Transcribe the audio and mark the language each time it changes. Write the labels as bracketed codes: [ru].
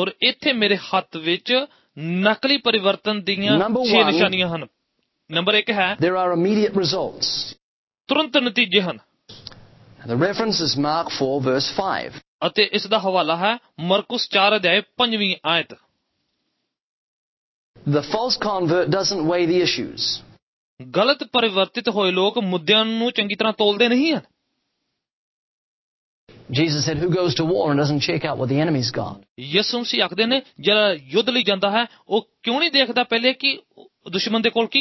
[pa] ਔਰ ਇੱਥੇ ਮੇਰੇ ਹੱਥ ਵਿੱਚ ਨਕਲੀ ਪਰਿਵਰਤਨ ਦੀਆਂ 6 ਨਿਸ਼ਾਨੀਆਂ ਹਨ. ਨੰਬਰ 1 ਹੈ [en] there are immediate results. [pa] ਤੁਰੰਤ ਨਤੀਜੇ ਹਨ. [en] The reference is Mark 4 verse 5. [pa] ਅਤੇ ਇਸ ਦਾ ਹਵਾਲਾ ਹੈ ਮਰਕਸ 4 ਅਧਿਆਏ 5ਵੀਂ ਆਇਤ. [en] The false convert doesn't weigh the issues. [pa] ਗਲਤ ਪਰਿਵਰਤਿਤ ਹੋਏ ਲੋਕ ਮੁੱਦਿਆਂ ਨੂੰ ਚੰਗੀ ਤਰ੍ਹਾਂ ਤੋਲਦੇ ਨਹੀਂ ਹਨ. [en] Jesus said who goes to war and doesn't check out what the enemy's got. [pa] ਯਿਸੂ ਸੀ ਆਖਦੇ ਨੇ ਜਿਹੜਾ ਯੁੱਧ ਲਈ ਜਾਂਦਾ ਹੈ ਉਹ ਕਿਉਂ ਨਹੀਂ ਦੇਖਦਾ ਪਹਿਲੇ ਕਿ ਦੁਸ਼ਮਣ ਦੇ ਕੋਲ ਕੀ